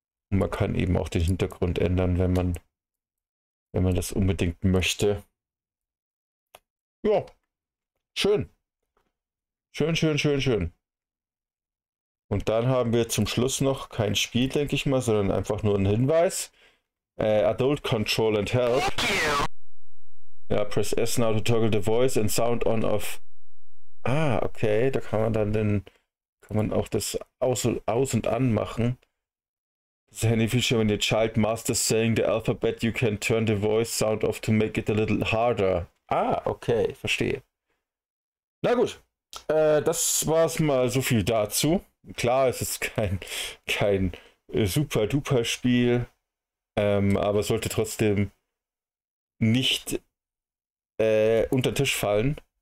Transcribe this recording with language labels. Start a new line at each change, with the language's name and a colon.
German: Und man kann eben auch den Hintergrund ändern, wenn man das unbedingt möchte. Ja, schön. Schön, schön, schön, schön. Und dann haben wir zum Schluss noch kein Spiel, denke ich mal, sondern einfach nur einen Hinweis.
English: Adult Control and Help. Ja, press S now to toggle the voice and sound on off.
German: Ah, okay, da kann man auch das aus und an machen.
English: Das Handy Feature, when your child masters saying the alphabet, you can turn the voice sound off to make it a little harder.
German: Ah, okay, verstehe. Na gut, das war's mal so viel dazu. Klar, es ist kein super-duper Spiel, aber sollte trotzdem nicht unter den Tisch fallen.